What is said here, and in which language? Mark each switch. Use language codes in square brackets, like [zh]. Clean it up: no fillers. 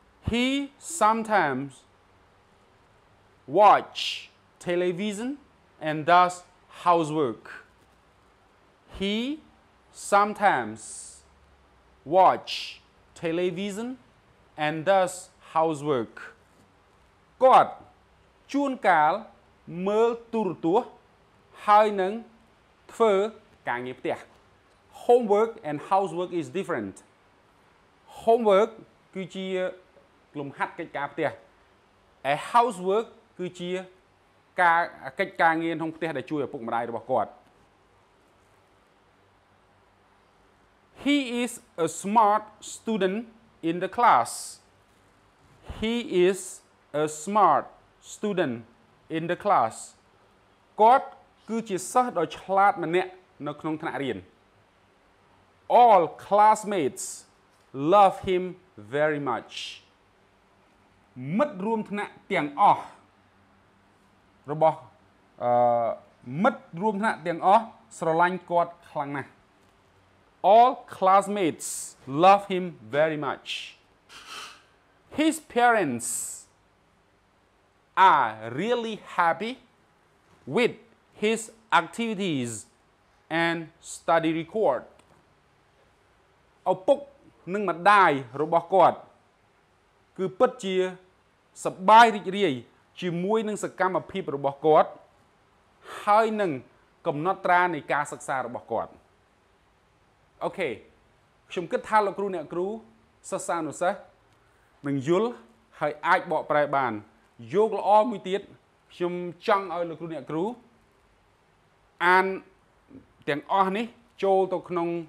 [en] He sometimes watch television and does housework. He sometimes watch television and does housework. [km] គាត់ជួនកាលមើលទូរទស្សន៍ហើយនឹងធ្វើការងារផ្ទះ [en] Homework and housework is different. [km] Homework គឺជាលំហាត់កិច្ចការផ្ទះ A housework គឺជាការកិច្ចការងារក្នុងផ្ទះដែលជួយឪពុកម្ដាយរបស់គាត់ [en] He is a smart student in the class. He is a smart student in the class. [km] គាត់គឺជាសិស្សដ៏ឆ្លាតម្នាក់នៅក្នុងថ្នាក់រៀន [en] All classmates love him very much. [km] មិត្តរួមថ្នាក់ទាំងអស់របស់មិត្តរួមថ្នាក់ទាំងអស់ស្រឡាញ់គាត់ខ្លាំងណាស់ [en] All classmates love him very much. His parents are really happy with his activities and study record. [km] ឪពុកនិងម្ដាយរបស់គាត់គឺពិតជាសប្បាយរីករាយជាមួយនឹងសកម្មភាពរបស់គាត់ហើយនឹងកំណត់ត្រានៃការសិក្សារបស់គាត់អូខេខ្ញុំគិតថាលោកគ្រូអ្នកគ្រូសិស្សានុសិស្សនឹងយល់ហើយអាចបកប្រែបានយកល្អមួយទៀតខ្ញុំចង់ឲ្យលោកគ្រូអ្នកគ្រូអានទាំងអស់នេះចូលទៅក្នុង